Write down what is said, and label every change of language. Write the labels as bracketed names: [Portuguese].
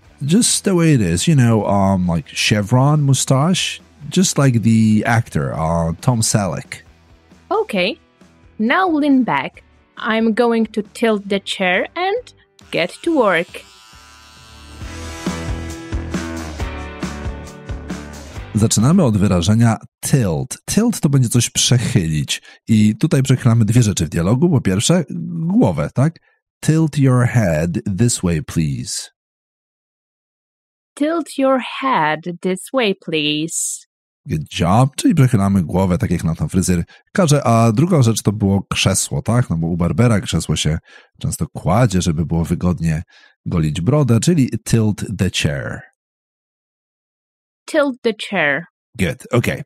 [English] Just the way it is, you know, like chevron mustache. Just like the actor, Tom Selleck. Okay, now lean back. I'm going to tilt the chair and get to work. [Polish] Zaczynamy od wyrażenia tilt. Tilt to będzie coś przechylić. I tutaj przechylamy dwie rzeczy w dialogu. Po pierwsze, głowę, tak? [English] Tilt your head this way, please. Tilt your head this way, please. Good job. [Polish] Czyli przechylamy głowę, tak jak nam ten fryzjer każe. A druga rzecz to było krzesło, tak? No bo u barbera krzesło się często kładzie, żeby było wygodnie golić brodę, czyli [English] tilt the chair. Tilt the chair. Good, okay.